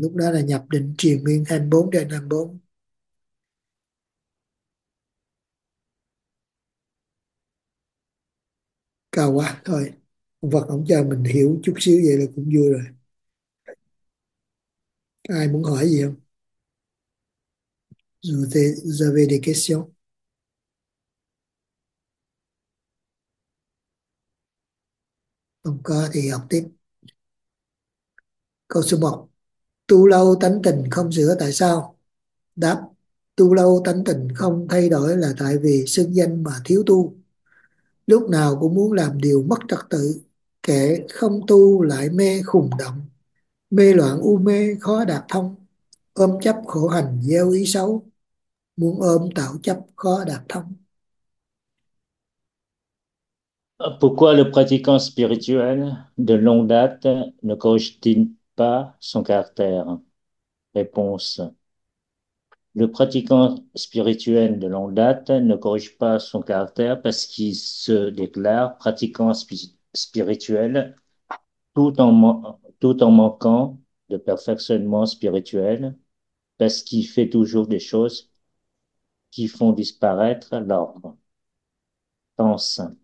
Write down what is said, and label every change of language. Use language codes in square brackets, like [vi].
[vi] Lúc đó là nhập định triền miên 24 trên 24. Cao quá, thôi. Ông Phật ông cho mình hiểu chút xíu vậy là cũng vui rồi. Ai muốn hỏi gì không? [fr] Vous avez des questions? [vi] Không có thì học tiếp. Câu số 1. Tu lâu tánh tình không sửa tại sao? Đáp: Tu lâu tánh tình không thay đổi là tại vì xưng danh mà thiếu tu. Lúc nào cũng muốn làm điều mất trật tự, kẻ không tu lại mê khùng động, mê loạn u mê khó đạt thông, ôm chấp khổ hành gieo ý xấu, muốn ôm tạo chấp khó đạt thông. [fr] Pourquoi le pratiquant spirituel de longue date ne corrige-t-il pas son caractère? Réponse. Le pratiquant spirituel de longue date ne corrige pas son caractère parce qu'il se déclare pratiquant spirituel tout en manquant de perfectionnement spirituel, parce qu'il fait toujours des choses qui font disparaître l'ordre. Pense.